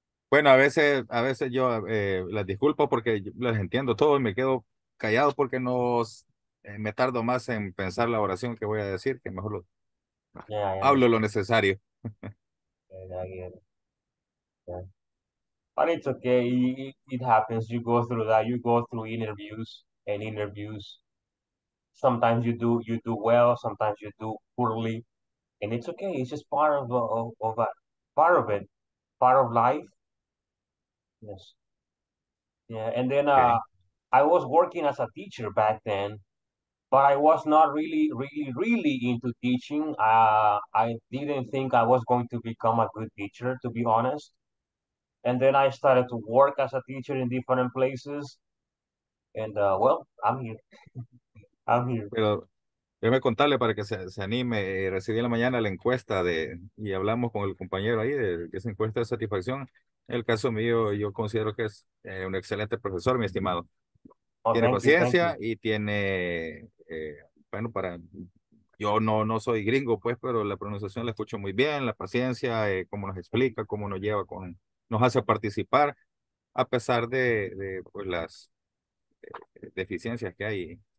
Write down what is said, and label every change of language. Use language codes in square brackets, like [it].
[es] Bueno, a veces yo las disculpo porque las entiendo todo y me quedo callado porque no me tardo más en pensar la oración que voy a decir, que mejor lo necesario. [en] But it's okay, it happens, you go through that, you go through interviews. Sometimes you do well, sometimes you do poorly, and it's okay, it's just part of life. Yes. Yeah, and then okay. I was working as a teacher back then, but I was not really, really, really into teaching. I didn't think I was going to become a good teacher, to be honest. And then I started to work as a teacher in different places, and well, I'm here. I'm here. [es] Pero déjame contarle para que se anime. Recibí en la mañana la encuesta y hablamos con el compañero ahí de esa encuesta de satisfacción. El caso mío, yo considero que es un excelente profesor, mi estimado. Oh, tiene paciencia y tiene, bueno, para, yo no soy gringo, pues, pero la pronunciación la escucho muy bien, la paciencia, cómo nos explica, cómo nos lleva, nos hace participar, a pesar de pues, las deficiencias que hay.